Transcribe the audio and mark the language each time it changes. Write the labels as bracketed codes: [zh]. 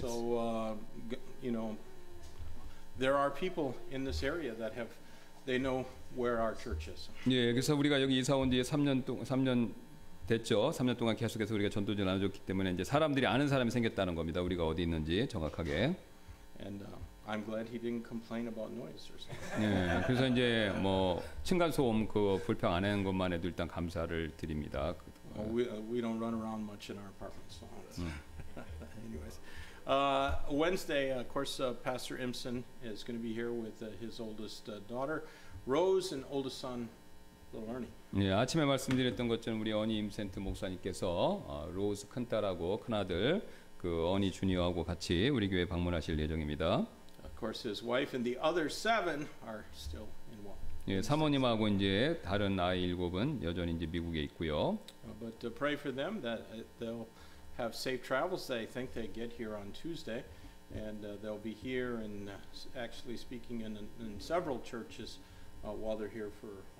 [en] So you know, there are people in this area that have they know where our church is. [ko] 예, 그래서 우리가 여기 이사 온 뒤에 3년 됐죠. 3년 동안 계속해서 우리가 전도지를 나눠줬기 때문에 이제 사람들이 아는 사람이 생겼다는 겁니다. 우리가 어디 있는지 정확하게. [en] And I'm glad he didn't complain about noise or something. [ko] 예, 그래서 이제 뭐 층간 소음 그 불평 안 하는 것만 해도 일단 감사를 드립니다. [en] Well, we don't run around much in our apartment. So anyways, Wednesday, of course, Pastor Imson is going to be here with his oldest daughter, Rose, and oldest son, Little Ernie. [ko] 네, 아침에 말씀드렸던 것처럼 우리 어니 임센트 목사님께서 로즈 큰딸하고 큰아들 그 어니 주니어하고 같이 우리 교회 방문하실 예정입니다. [en] Of course, his wife and the other seven are still in one. [ko] 예, 사모님하고 이제 다른 아이 일곱은 여전히 이제 미국에 있고요. [en] But to pray for them that they'll have safe travels. They think they get here on Tuesday, and they'll be here and actually speaking in several churches while they're here for.